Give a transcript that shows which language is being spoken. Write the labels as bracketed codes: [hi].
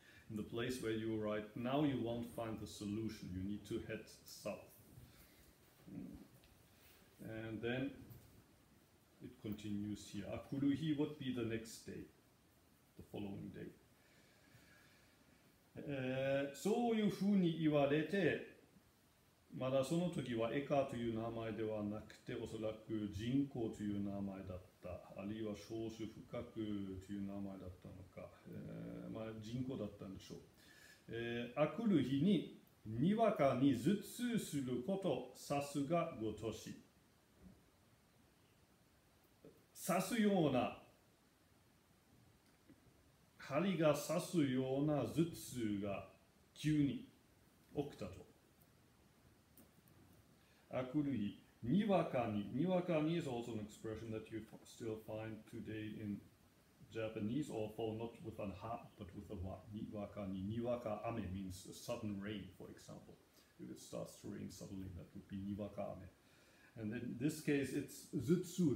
[en] In the place where you are right now, you won't find the solution. You need to head south. And then it continues here. Akuruhi would be the next day, the following day. [ja] So you fu ni iwarete, まだその時はエカという名前ではなくて、おそらく人工という名前だった、あるいは少子不覚という名前だったのか、人工だったんでしょう。あくる日ににわかに頭痛すること、さすがごとし。刺すような、針が刺すような頭痛が急に起きたと。あくる日、にわかに、にわかに [en] is also an expression that you still find today in Japanese, although not with a ha, but with a wa. [ja] にわかに、にわか雨 [en] means a sudden rain, for example. If it starts to rain suddenly, that would be にわか雨. And in this case, it's 頭痛.